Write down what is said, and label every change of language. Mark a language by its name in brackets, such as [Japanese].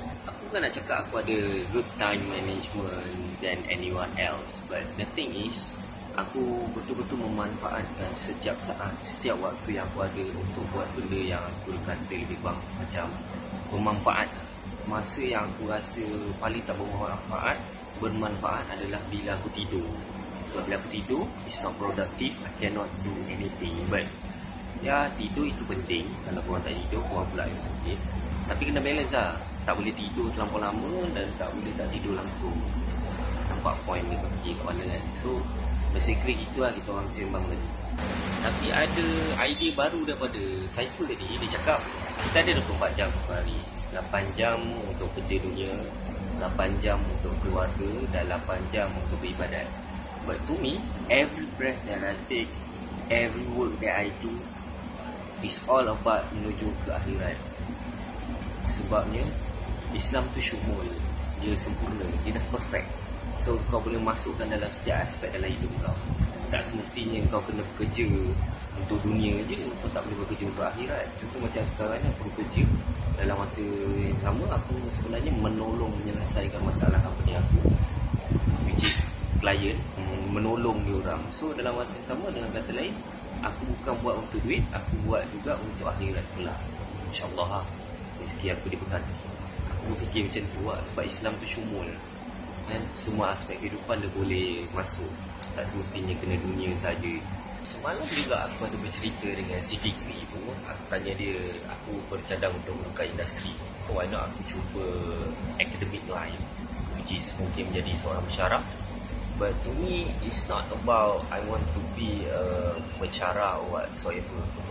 [Malay] Aku kan nak cakap aku ada [English] good time management than anyone else, but the thing is [Malay] aku betul-betul memanfaatkan setiap saat, setiap waktu yang aku ada untuk buat benda yang aku kata lebih kurang macam bermanfaat. Masa yang aku rasa paling tak bermanfaat, bermanfaat adalah bila aku tidur. Sebab bila aku tidur, [English] it's not productive, I cannot do anything. [Malay] But ya, tidur itu penting. Kalau korang tak tidur, korang pula yang sakit. Tapi kena balance lah, tak boleh tidur terlalu lama dan tak boleh tak tidur langsung. Nampak point ni pergi ke mana kan. [English] So basically [Malay] gitu lah kita orang sembang tadi. Tapi ada idea baru daripada Saiful tadi. Dia cakap kita ada 24 jam satu hari, 8 jam untuk kerja dunia, 8 jam untuk keluarga dan 8 jam untuk beribadat. [English] But to me, every breath that I take, every work that I do is all about [Malay] menuju ke akhirat. Sebabnya Islam tu syumul, dia sempurna, dia dah perfect. So kau boleh masukkan dalam setiap aspek dalam hidup kau. Tak semestinya kau kena bekerja untuk dunia je, kau tak boleh bekerja untuk akhirat. Contoh macam sekarang ni aku bekerja, dalam masa yang sama aku sebenarnya menolong menyelesaikan masalah company aku, [English] which is client, [Malay] menolong dia orang. So dalam masa yang sama, dengan kata lain, aku bukan buat untuk duit, aku buat juga untuk akhirat pula. InsyaAllah lah rezeki aku diberkati. Aku fikir macam tu lah, sebab Islam tu syumul, semua aspek kehidupan dia boleh masuk. Tak semestinya kena dunia saja. Semalam juga aku ada bercerita dengan si Fikri pun. Aku tanya dia, aku bercadang untuk membuka industri, [English] why not [Malay] aku cuba [English] academic line, which is [Malay] mungkin menjadi seorang pensyarah. [English] But to me, it's not about I want to be a pensyarah or whatsoever.